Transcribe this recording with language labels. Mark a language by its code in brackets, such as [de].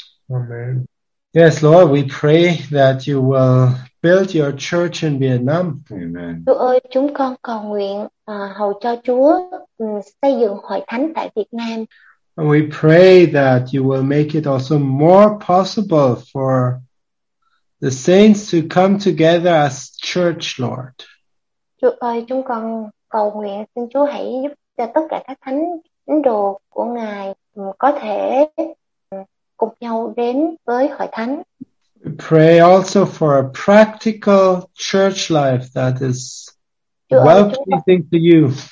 [en] Amen. Yes, Lord, we pray that you will build your church in Vietnam. Amen. [vi] Chúa ơi, chúng con cầu nguyện hầu cho Chúa xây dựng hội thánh tại Việt Nam. [en] And we pray that you will make it also more possible for the saints to come together as church, Lord. [vi] Chúa ơi, chúng con cầu nguyện xin Chúa hãy giúp cho tất cả các thánh đồ của Ngài có thể cùng nhau đến với hội thánh. [en] We pray also for a practical church life that is well pleasing to you.